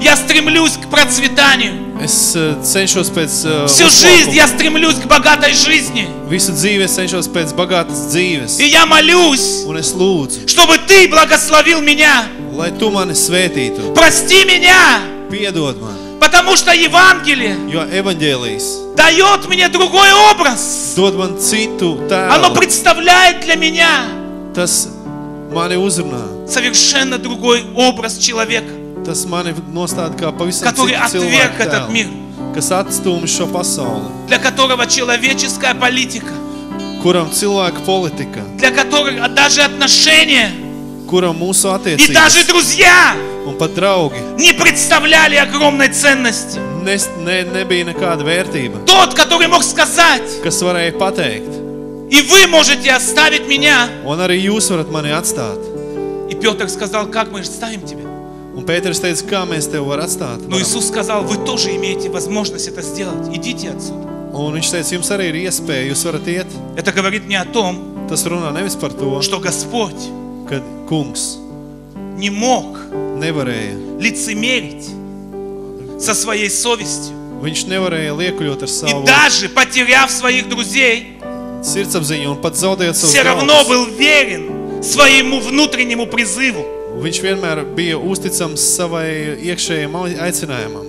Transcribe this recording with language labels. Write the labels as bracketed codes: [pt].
[ru] Я стремлюсь к процветанию. [lv] Es cenšos pēc [ru] всю жизнь я стремлюсь к богатой жизни. [lv] Visu dzīvi es cenšos pēc bagātas dzīves. [ru] И я молюсь. [lv] Un es lūdzu. [ru] Чтобы ты благословил меня. [lv] Lai tu mani svētītu. [ru] Прости меня. [lv] Piedod man. [ru] Потому что Евангелие. [lv] Jo evaņģēlijs. [ru] Дает мне другой образ. [lv] Dod man citu tēlu. [ru] Оно представляет для меня. [lv] Tas mani uzrunā. [ru] Совершенно другой образ человека. [lv] Tas mani nostāda kā pavisam citu cilvēku tēlu. [ru] Который отверг этот мир. [lv] Kas atstūmi šo pasauli. [ru] Для которого человеческая политика. [lv] Kuram cilvēka politika. [ru] Для которого даже отношения. [lv] Kuram mūsu attiecības. [ru] И даже друзья. [lv] Un pat draugi. [ru] Не представляли огромной ценности. [lv] Nebija nekāda vērtība. [ru] Тот, который мог сказать. [lv] Kas varēja pateikt. [ru] И вы можете оставить меня. [lv] Он arī jūs varat mani atstāt. [ru] И Петр сказал, как мы оставим тебя? [lv] Un Pēteris teica, kā mēs tevi var atstāt? [ru] Но Иисус сказал, вы тоже имеете возможность это сделать. Идите отсюда. [lv] Un viņš teica, jums arī ir iespēja, jūs varat iet. [ru] Это говорит не о том, [lv] Tas runā nevis par to, [ru] что Господь, [lv] kad kungs [ru] не мог [lv] nevarēja [ru] лицемерить со своей совестью. [lv] Viņš nevarēja liekuļot ar savu. [ru] И даже потеряв своих друзей, сердцебзень он подзаудает свой. Все равно был верен своему внутреннему призыву. [lv] Viņš vienmēr bija uzticams savai iekšējam aicinājumam.